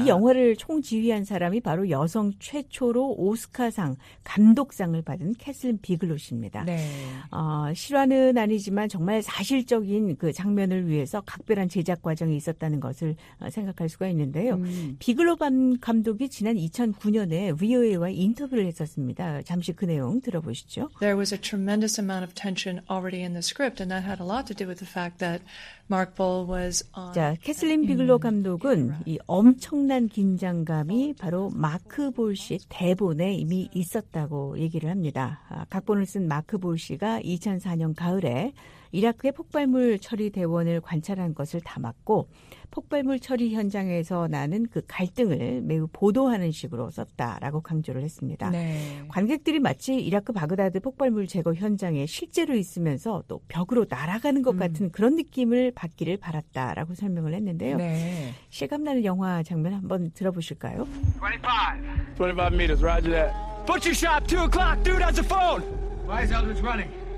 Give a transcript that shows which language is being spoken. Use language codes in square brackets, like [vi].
[ko] 이 영화를 총지휘한 사람이 바로 여성 최초로 오스카상 감독상을 받은 캐슬린 비글로 씨입니다. 네. 실화는 아니지만 정말 사실적인 그 장면을 위해서 각별한 제작 과정이 있었다는 것을 생각할 수가 있는데요. 비글로 감독이 지난 2009년에 VOA와 인터뷰를 했었습니다. 잠시 그 내용 들어보시죠. [en] There was a tremendous amount of tension already in the script and that had a lot to do with the fact that Mark Bull was on [ko] 자, 캐슬린 비글로 감독은 이 엄청난 긴장감이 바로 마크 볼 씨 대본에 이미 있었다고 얘기를 합니다. 각본을 쓴 마크 볼 씨가 2004년 가을에 이라크의 폭발물 처리 대원을 관찰한 것을 담았고 폭발물 처리 현장에서 나는 그 갈등을 매우 보도하는 식으로 썼다라고 강조를 했습니다. 네. 관객들이 마치 이라크 바그다드 폭발물 제거 현장에 실제로 있으면서 또 벽으로 날아가는 것 같은 그런 느낌을 받기를 바랐다라고 설명을 했는데요. 네. 실감나는 영화 장면 한번 들어보실까요? [en] 25 meters, roger that. Butcher shop, 2 o'clock, dude has a phone. Why is Eldridge running?